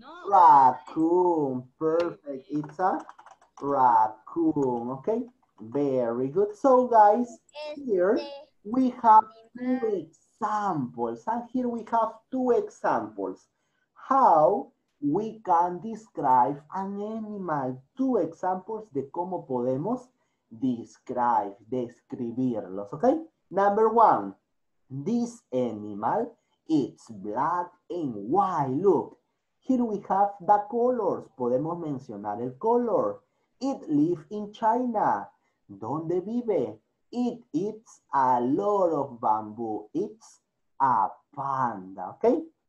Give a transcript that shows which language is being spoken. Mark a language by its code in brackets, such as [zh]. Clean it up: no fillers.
[en] Raccoon. Perfect. It's a raccoon. Okay. Very good. So, guys, here. We have two examples. And here we have two examples. How we can describe an animal. Two examples [es] de cómo podemos describe, describirlos, ¿ok? [en] Number one, this animal, it's black and white. Look, here we have the colors. [es] Podemos mencionar el color. [en] It lives in China. [es] ¿Dónde vive? [en] It eats a lot of bamboo. It's a panda, ¿ok?